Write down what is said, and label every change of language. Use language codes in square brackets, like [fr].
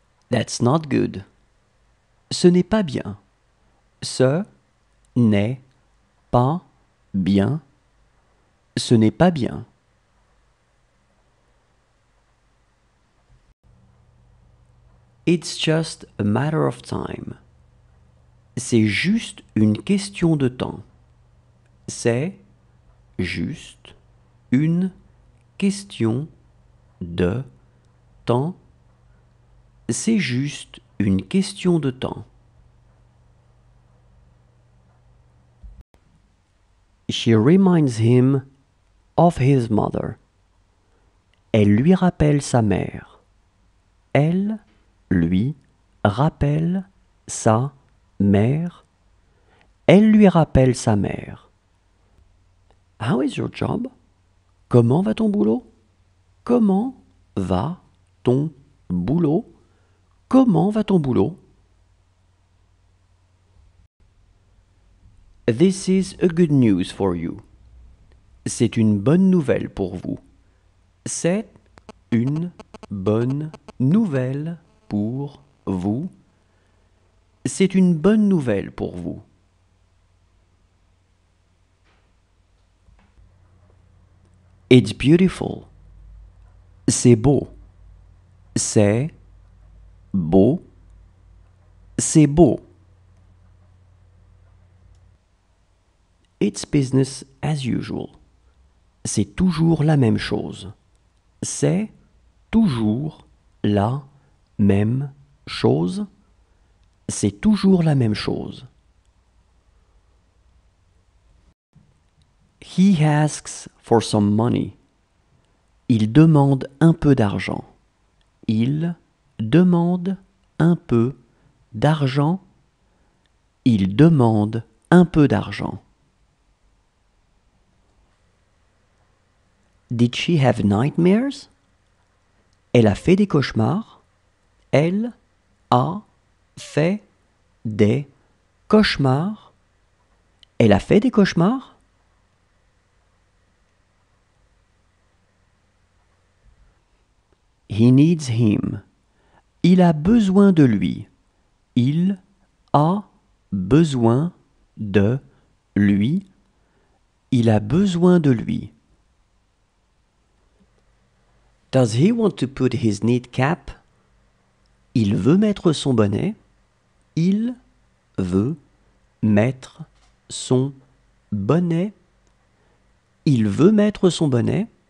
[en] That's not good. [fr] Ce n'est pas bien. Ce n'est pas bien. Ce n'est pas bien. [en] It's just a matter of time. [fr] C'est juste une question de temps. C'est juste une question de temps. C'est juste une question de temps. [en] She reminds him of his mother. [fr] Elle lui rappelle sa mère. Elle lui rappelle sa mère. Elle lui rappelle sa mère. [en] How is your job? [fr] Comment va ton boulot? Comment va ton boulot? Comment va ton boulot? [en] This is a good news for you. [fr] C'est une bonne nouvelle pour vous. C'est une bonne nouvelle pour vous. C'est une bonne nouvelle pour vous. [en] It's beautiful. [fr] C'est beau. C'est beau. C'est beau. [en] It's business as usual. [fr] C'est toujours la même chose. C'est toujours la même chose. C'est toujours la même chose. [en] He asks for some money. [fr] Il demande un peu d'argent. Il demande un peu d'argent. Il demande un peu d'argent. [en] Did she have nightmares? [fr] Elle a fait des cauchemars. Elle a fait des cauchemars. Elle a fait des cauchemars? [en] He needs him. [fr] Il a besoin de lui. Il a besoin de lui. Il a besoin de lui. [en] Does he want to put his neat cap? [fr] Il veut mettre son bonnet. Il veut mettre son bonnet. Il veut mettre son bonnet.